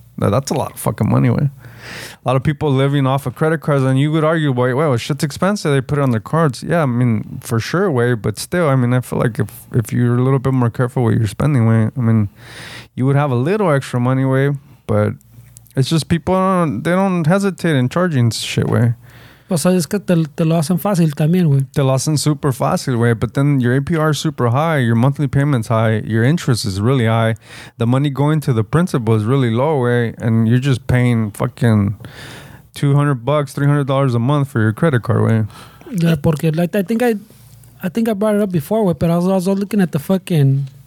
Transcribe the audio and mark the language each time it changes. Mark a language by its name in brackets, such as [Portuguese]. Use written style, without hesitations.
[English] Now that's a lot of fucking money, man. A lot of people living off of credit cards, and you would argue, well, shit's expensive. They put it on their cards. Yeah, I mean, for sure, way. But still, I mean, I feel like if you're a little bit more careful with your spending, way, I mean, you would have a little extra money, way. But it's just people, they don't hesitate in charging shit, way. [Spanish] Pues sabes que te lo hacen fácil también, güey. Te lo hacen super fácil, güey. [English] But then your APR is super high, your monthly payment's high, your interest is really high, the money going to the principal is really low, güey, and you're just paying fucking $200, $300 a month for your credit card, güey. Yeah, [Spanish] porque [English] like I think I brought it up before, güey, but I was looking at the fucking...